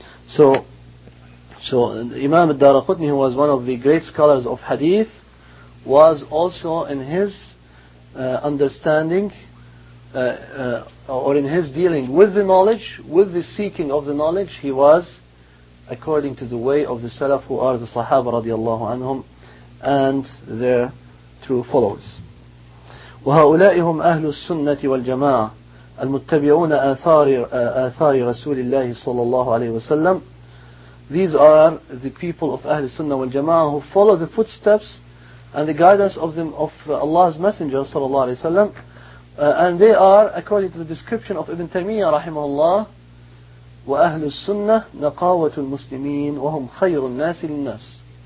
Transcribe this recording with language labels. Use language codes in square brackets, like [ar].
[en] So Imam Ad-Daraqutni, who was one of the great scholars of Hadith, was also in his understanding or in his dealing with the knowledge, with the seeking of the knowledge, he was according to the way of the Salaf, who are the Sahaba radiallahu anhum, and their true followers. [ar] وهؤلاء هم أهل السنة والجماعة المتبعون آثار رسول الله صلى الله عليه وسلم. [en] These are the people of أهل السنة والجماعة who follow the footsteps and the guidance of them of Allah's Messenger صلى الله عليه وسلم. And they are, according to the description of Ibn Taymiyyah رحمه الله, [ar] وأهل السنة نقاوة المسلمين وهم خير الناس للناس.